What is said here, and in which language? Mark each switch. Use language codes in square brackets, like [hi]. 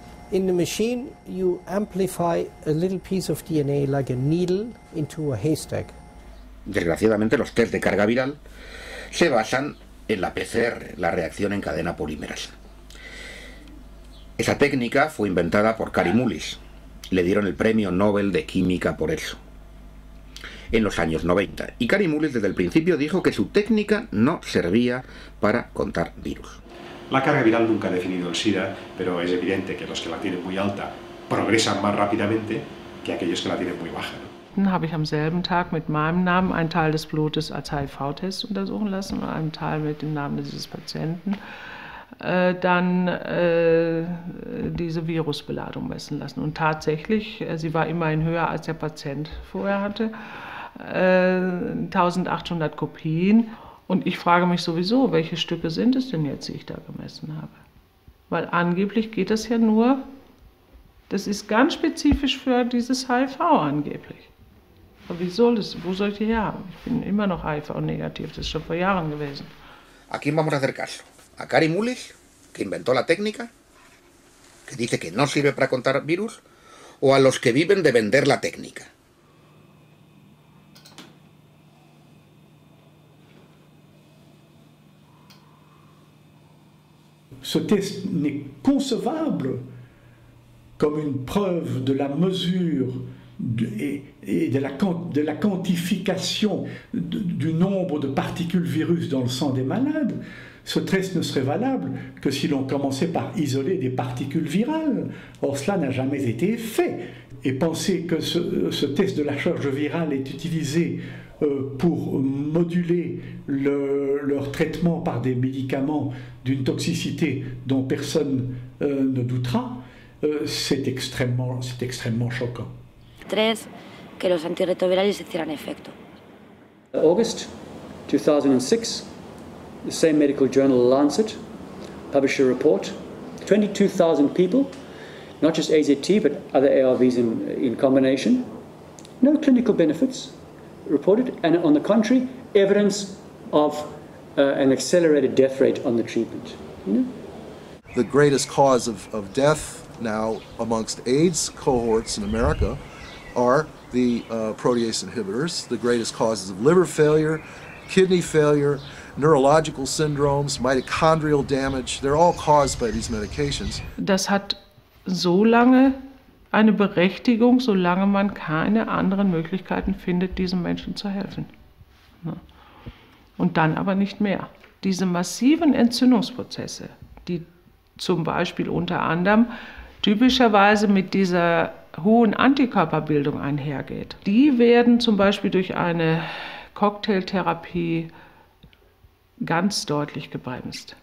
[en] In the machine, you amplify a little piece of DNA like a needle into a haystack. [es] Desgraciadamente, los test de carga viral se basan en la PCR, la reacción en cadena polimerasa. Esa técnica fue inventada por Cary Mullis. Le dieron el premio Nobel de Química por eso, en los años 90. Y Cary Mullis desde el principio dijo que su técnica no servía para contar virus. La carga viral nunca ha definido el SIDA, pero es evidente que los que la tienen muy alta progresan más rápidamente que aquellos que la tienen muy baja, ¿no? [de] Habe ich am selben Tag mit meinem Namen einen Teil des Blutes als HIV-Test untersuchen lassen und einen Teil mit dem Namen dieses Patienten. Dann diese Virusbeladung messen lassen. Und tatsächlich, sie war immerhin höher als der Patient vorher hatte, 1800 Kopien. Und ich frage mich sowieso, welche Stücke sind es denn jetzt, die ich da gemessen habe? Weil angeblich geht das ja nur, das ist ganz spezifisch für dieses HIV angeblich. Aber wie soll das? Wo soll ich die her? Ich bin immer noch HIV-negativ, das ist schon vor Jahren gewesen. [es] ¿A quién vamos a hacer caso? ¿A Cary Mullis, que inventó la técnica, que dice que no sirve para contar virus, o a los que viven de vender la técnica. [fr] Ce test n'est concevable comme une preuve de la mesure et de la quantification du nombre de particules virus dans le sang des malades. Ce test ne serait valable que si l'on commençait par isoler des particules virales. Or, cela n'a jamais été fait. Et penser que ce test de la charge virale est utilisé pour moduler leur traitement par des médicaments d'une toxicité dont personne ne doutera, c'est extrêmement choquant. [es] 3, que los antirretrovirales hicieran efecto. [en] August 2006, the same medical journal Lancet published a report. 22,000 people, not just AZT but other ARVs in combination, no clinical benefits reported, and on the contrary, evidence of an accelerated death rate on the treatment. You know? The greatest cause of death now amongst AIDS cohorts in America are the protease inhibitors, the greatest causes of liver failure, kidney failure, neurological syndromes, mitochondrial damage, they're all caused by these medications. [de] Das hat so lange eine Berechtigung, solange man keine anderen Möglichkeiten findet, diesen Menschen zu helfen. Und dann aber nicht mehr. Diese massiven Entzündungsprozesse, die zum Beispiel unter anderem typischerweise mit dieser hohen Antikörperbildung einhergeht, die werden zum Beispiel durch eine Cocktailtherapie ganz deutlich gebremst.